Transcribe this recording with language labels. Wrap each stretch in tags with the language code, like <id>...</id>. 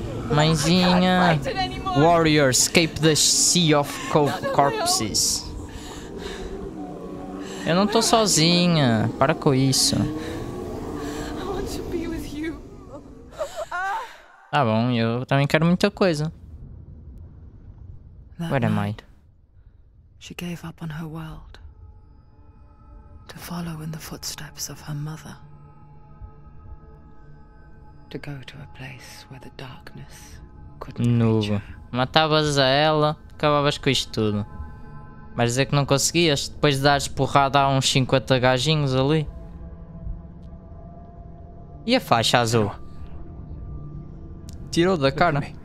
<pt>Mãezinha.</pt> <en>Warrior, escape the sea of corpses.</en> <pt>Eu não estou sozinha. Para com isso. Tá bom, eu também quero muita coisa.</pt> <en>Where am I? She gave up on her world to follow in the footsteps of her mother. To go to a place where the darkness</en> <pt>Nuba, matavas a ela, acabavas com isto tudo. Vais dizer que não conseguias, depois de dares porrada a uns 50 gajinhos ali. E a faixa azul? Tirou da cara.</pt>